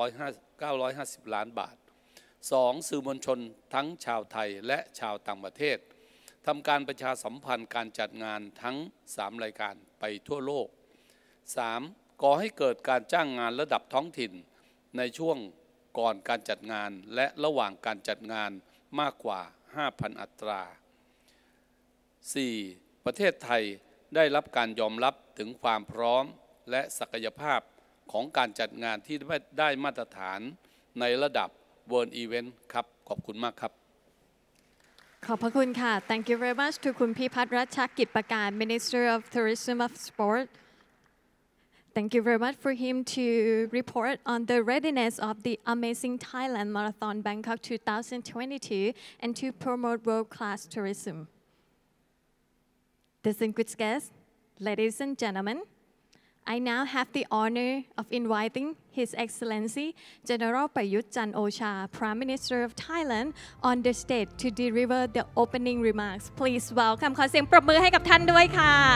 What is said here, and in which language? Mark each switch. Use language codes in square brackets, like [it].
[th] 950ล้านบาท2สื่อมวลชนทั้งชาวไทยและชาวต่างประเทศทำการประชาสัมพันธ์การจัดงานทั้ง3รายการไปทั่วโลก3ก่อให้เกิดการจ้างงานระดับท้องถิ่นในช่วงก่อนการจัดงานและระหว่างการจัดงานมากกว่า 5,000 อัตรา 4ประเทศไทยได้รับการยอมรับถึงความพร้อมและศักยภาพของการจัดงานที่ได้มาตรฐานในระดับWorld Event ครับขอบคุณมากครับ ขอบพระคุณค่ะ [en] Thank you very much to คุณ Phiphat Ratchakitprakarn Minister of Tourism of Sport Thank you very much for him to report on the readiness of the Amazing Thailand Marathon Bangkok 2022 and to promote world class tourism Distinguished guests ladies and gentlemen I now have the honor of inviting His Excellency General Prayut Chan Ocha, Prime Minister of Thailand, on the stage to deliver the opening remarks. Please welcome. [th] ขอเสียงปรบมือให้กับท่านด้วยค่ะ